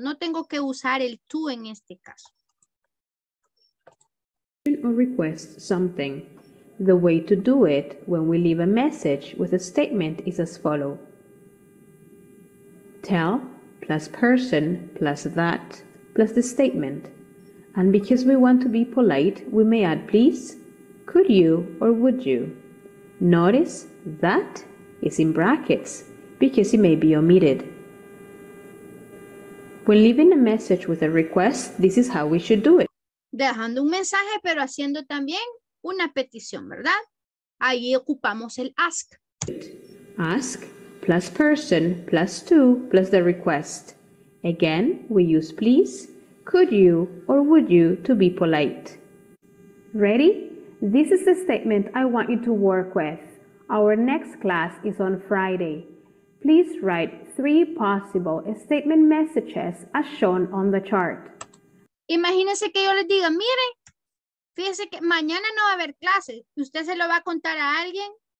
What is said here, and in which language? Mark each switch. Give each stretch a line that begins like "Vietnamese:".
Spanish: No tengo que usar el tú en este caso.
English: Or request something. The way to do it when we leave a message with a statement is as follows. Tell plus person plus that plus the statement. And because we want to be polite, we may add please, could you, or would you. Notice that is in brackets because it may be omitted. When leaving a message with a request, this is how we should do it.
Spanish: Dejando un mensaje, pero haciendo también una petición, ¿verdad? Ahí ocupamos el ask.
English: Ask plus person plus to plus the request. Again, we use please, could you, or would you to be polite. Ready? This is the statement I want you to work with. Our next class is on Friday. Please write 3 possible statement messages as shown on the chart.
Spanish: Imagínense que yo les diga, mire, fíjese que mañana no va a haber clases. ¿Usted se lo va a contar a alguien?